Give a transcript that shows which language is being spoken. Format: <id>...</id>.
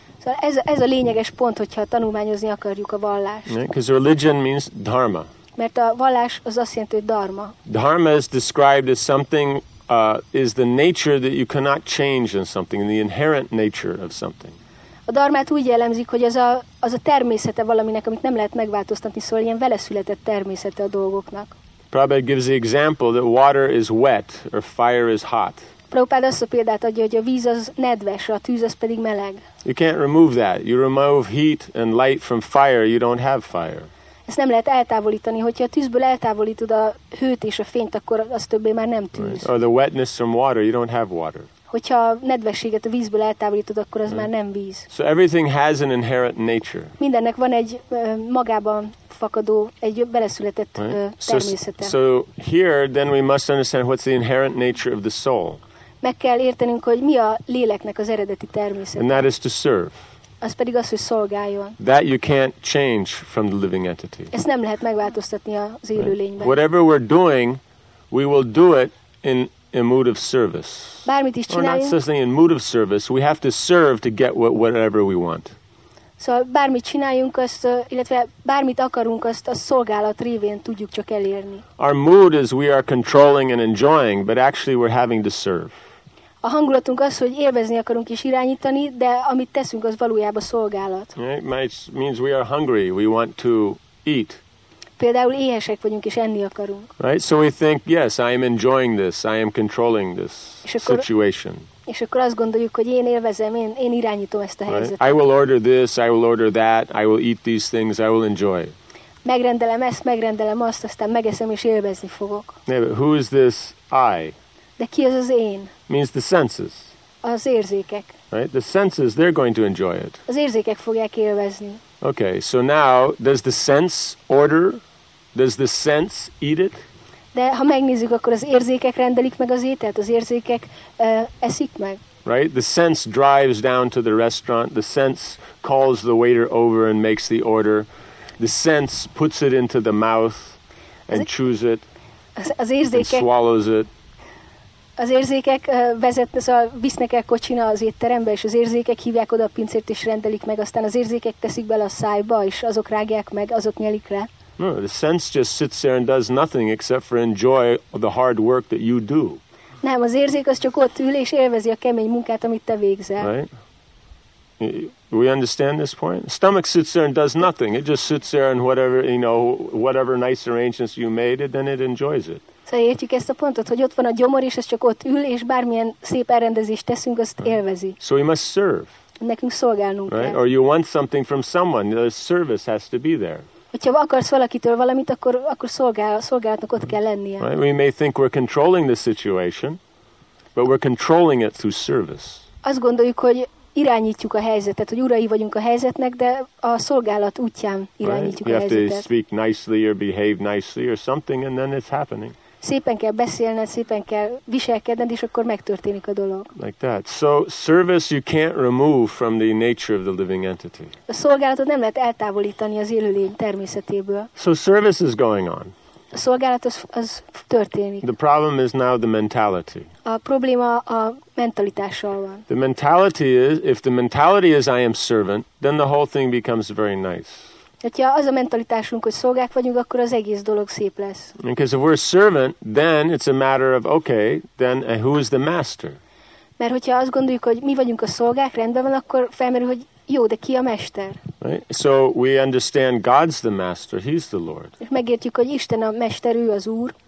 <hu>Szóval ez a lényeges pont, hogyha tanulmányozni akarjuk a vallást.</hu> <en>Because religion means dharma.</en> <hu>Mert a vallás az azt jelenti, hogy dharma.</hu> <en>Dharma is described as something is the nature that you cannot change in something, the inherent nature of something.</en> <hu>A dharmát úgy jellemzik, hogy az a természete valaminek, amit nem lehet megváltoztatni, szóval ilyen veleszületett természete a dolgoknak.</hu> <en>Prabhupada gives the example that water is wet or fire is hot.</en> <hu>Prabhupada azt a példát adja, hogy a víz az nedves, a tűz az pedig meleg.</hu> <en>You can't remove that. You remove heat and light from fire, you don't have fire.</en> <hu>Ezt nem lehet eltávolítani, hogyha a tűzből eltávolítod a hőt és a fényt, akkor az többé már nem tűz.</hu> <en>Right. Or the wetness from water, you don't have water.</en> <hu>Hogyha a nedvességet a vízből eltávolítod, akkor az</hu> <en>right.</en> <hu>Már nem víz.</hu> <en>So everything has an inherent nature.</en> <hu>Mindennek van egy magában fakadó, egy beleszületett</hu> <en>right.</en> <hu>Természete.</hu> <en>So here then we must understand what's the inherent nature of the soul.</en> <hu>Meg kell értenünk, hogy mi a léleknek az eredeti természete.</hu> <en>And that is to serve.</en> <hu>Az pedig az, hogy szolgáljon.</hu> <en>That you can't change from the living entity.</en> <hu>Ezt nem lehet megváltoztatni az élő lényben.</hu> <en>Whatever we're doing, we will do it in a mood of service.</en> <hu>Bármit is csináljunk.</hu> <en>Or not necessarily in mood of service. We have to serve to get whatever we want.</en> <hu>Szóval bármit csináljunk, azt, illetve bármit akarunk, azt a szolgálat révén tudjuk csak elérni.</hu> <en>Our mood is we are controlling and enjoying, but actually we're having to serve.</en> <hu>A hangulatunk az, hogy élvezni akarunk és irányítani, de amit teszünk, az valójában szolgálat.</hu> <en>It means we are hungry, we want to eat.</en> <hu>Például éhesek vagyunk és enni akarunk.</hu> <en>Right, so we think, yes, I am enjoying this, I am controlling this situation.</en> <hu>És akkor azt gondoljuk, hogy én élvezem, én irányítom ezt a helyzetet.</hu> <en>I will order this, I will order that, I will eat these things, I will enjoy.</en> <hu>Megrendelem ezt, megrendelem azt, aztán megeszem és élvezni fogok.</hu> <en>Yeah, but who is this I?</en> <hu>De ki az az én?</hu> <en>Means the senses.</en> <hu>Az érzékek.</hu> <en>Right, the senses, they're going to enjoy it.</en> <hu>Az érzékek fogják élvezni.</hu> <en>Okay, so now, does the sense order? Does the sense eat it?</en> <hu>De ha megnézzük, akkor az érzékek rendelik meg az ételt, az érzékek eszik meg.</hu> <en>Right? The sense drives down to the restaurant. The sense calls the waiter over and makes the order. The sense puts it into the mouth and chews it</en> <hu>az érzékek,</hu> <en>and swallows it.</en> <hu>Az érzékek visznek el kocsina az étterembe, és az érzékek hívják oda a pincért és rendelik meg. Aztán az érzékek teszik bele a szájba, és azok rágják meg, azok nyelik le.</hu> <en>No, the sense just sits there and does nothing except for enjoy the hard work that you do.</en> <hu>Nem, az érzék az csak ott ül és élvezi a kemény munkát, amit te végzel.</hu> <en>Right? We understand this point? Stomach sits there and does nothing. It just sits there and whatever, you know, whatever nice arrangements you made, it, then it enjoys it.</en> <hu>Szóval értjük ezt a pontot, hogy ott van a gyomor és ez csak ott ül és bármilyen szép elrendezést teszünk, azt élvezi.</hu> <en>So we must serve.</en> <hu>Nekünk szolgálnunk kell.</hu> <en>Right? Or you want something from someone, the service has to be there.</en> <hu>Hogyha akarsz valakitől valamit, akkor szolgálatnak ott kell lennie.</hu> <en>Right? We may think we're controlling the situation, but we're controlling it through service.</en> <hu>Azt gondoljuk, hogy irányítjuk a helyzetet, hogy urai vagyunk a helyzetnek, de a szolgálat útján irányítjuk</hu> <en>right?</en> <hu>a helyzetet.</hu> <en>You have to speak nicely or behave nicely or something, and then it's happening.</en> <hu>Szépen kell beszélned, szépen kell viselkedned, és akkor megtörténik a dolog.</hu> <en>Like that. So service you can't remove from the nature of the living entity.</en> <hu>A szolgálatot nem lehet eltávolítani az élőlény természetéből.</hu> <en>So service is going on.</en> <hu>A szolgálat az történik.</hu> <en>The problem is now the mentality.</en> <hu>A probléma a mentalitással van.</hu> <en>The mentality is, if the mentality is I am servant, then the whole thing becomes very nice.</en> <hu>Hogyha az a mentalitásunk, hogy szolgák vagyunk, akkor az egész dolog szép lesz.</hu> <en>Because if we're a servant, then it's a matter of, okay, then who is the master?</en> <hu>Mert hogyha azt gondoljuk, hogy mi vagyunk a szolgák, rendben van, akkor felmerül, hogy jó, de ki a mester?</hu> <en>Right? So we understand God's the master, he's the Lord.</en> <hu>És megértjük, hogy Isten a mester, ő az Úr.</hu>